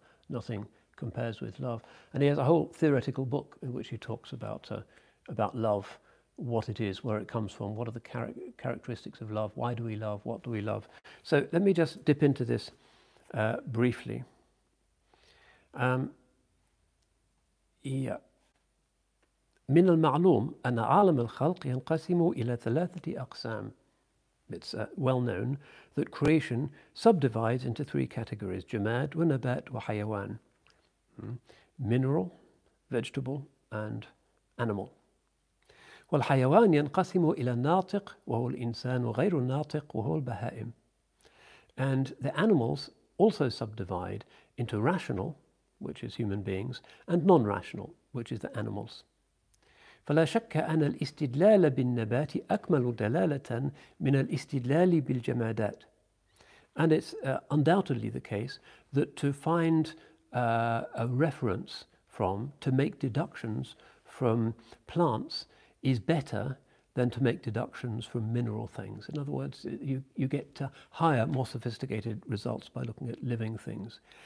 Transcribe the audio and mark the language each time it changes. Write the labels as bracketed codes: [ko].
[en] Nothing compares with love. And he has a whole theoretical book in which he talks about love, what it is, where it comes from, what are the characteristics of love, why do we love, what do we love. So let me just dip into this briefly. [ar] من المعلوم أن عالم الخلق ينقسم إلى ثلاثة أقسام. [en] It's well known that creation subdivides into three categories, [ar] جماد ونبات وحيوان. [en] Mineral, vegetable, and animal. [ar] والحيوان ينقسم إلى الناطق وهو الإنسان وغير الناطق وهو البهائم. [en] And the animals also subdivide into rational, which is human beings, and non-rational, which is the animals. [ar] فلا شك أن الاستدلال بالنبات أكمل دلالة من الاستدلال بالجمادات. [en] And it's undoubtedly the case that to find a reference from, to make deductions from plants, is better than to make deductions from mineral things. In other words, you get to higher, more sophisticated results by looking at living things.